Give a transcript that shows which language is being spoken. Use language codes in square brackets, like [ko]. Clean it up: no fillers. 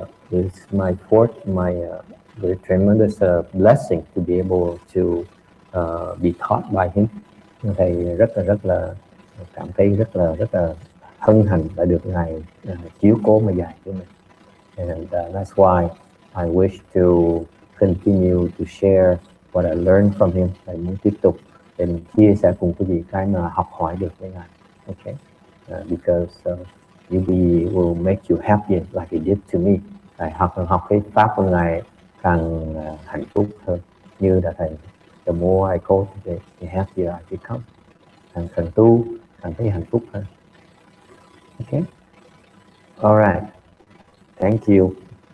[en] It's my fourth, my very tremendous blessing to be able to be taught by him. [vi] Thầy rất là hân hạnh đã được Ngài chiếu cố mà dạy cho mình. [en] And that's why I wish to continue to share what I learned from him. [vi] I muốn tiếp tục để mình chia sẻ cùng quý vị cái mà học hỏi được với Ngài. [en] Okay? Because it will make you happy like it did to me. [vi] Thầy học cái pháp của Ngài càng hạnh phúc hơn. Như là Thầy, [en] the more I cultivate, the happier I become. [vi] Thầy càng tu, càng thấy hạnh phúc hơn. Okay? [en] All right. Thank you.